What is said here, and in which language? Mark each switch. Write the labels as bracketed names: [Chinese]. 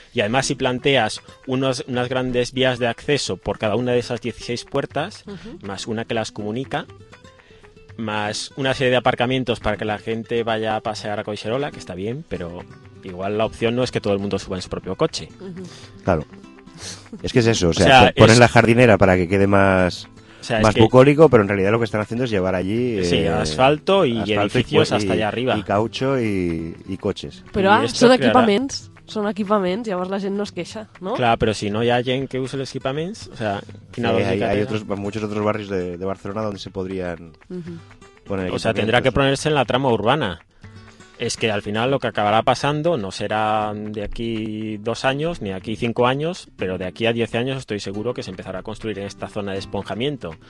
[Spanish] Y además, si planteas unas grandes vías de acceso por cada una de esas 16 puertas, más una que las comunica, más una serie de aparcamientos para que la gente vaya a pasear a Caixerola, que está bien, pero igual la opción no es que todo el mundo suba en su propio coche. Claro. Es que es eso. O sea, ponen la jardinera para que quede más... O sea, más bucólico, pero en realidad lo que están haciendo es llevar allí... Sí, asfalto y edificios hasta allá arriba. Y caucho y coches. Pero son equipamientos. [Catalan] són equipaments, llavors la gent no es queixa, no? Clar, però si no hi ha gent que usa els equipaments, [Spanish] o sea, [Catalan] quina lògica hi ha? Hi ha [Spanish] otros, muchos otros barrios de Barcelona donde se podrían poner equipaments. O sea, tendrá que ponerse en la trama urbana. Es que al final lo que acabará pasando no será de aquí 2 años ni de aquí 5 años, pero de aquí a 10 años estoy seguro que se empezará a construir en esta zona de esponjamiento.